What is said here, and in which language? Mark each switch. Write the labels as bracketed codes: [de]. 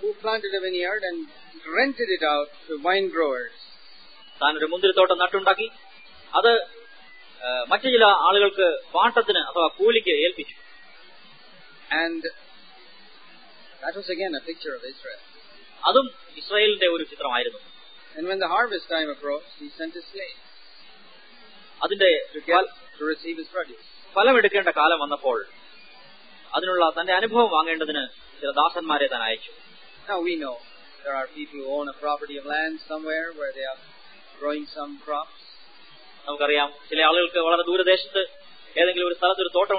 [en] Who planted a vineyard and rented it out to wine growers. [ml] താൻ ഒരു മുന്തിരിത്തോട്ടം നട്ടുണ്ടാക്കി, അത് മറ്റു ചില ആളുകൾക്ക് പാട്ടത്തിന് അഥവാ കൂലിക്ക് ഏൽപ്പിച്ചു. [en] And that was again a picture of Israel. [ml] അതും ഇസ്രായേലിന്റെ ഒരു ചിത്രമായിരുന്നു. [en] And when the harvest time approached, he sent his slaves. [ml] അതിന്റെ [en] to receive his produce. [ml] ഫലം എടുക്കേണ്ട കാലം വന്നപ്പോൾ അതിനുള്ള തന്റെ അനുഭവം വാങ്ങേണ്ടതിന് ചില ദാസന്മാരെ താൻ അയച്ചു. [en] Now we know there are people who own a property of land somewhere where they are growing some crops. [ml] നമുക്കറിയാം ചില ആളുകൾക്ക് വളരെ ദൂരദേശത്ത് ഏതെങ്കിലും ഒരു സ്ഥലത്ത് ഒരു തോട്ടം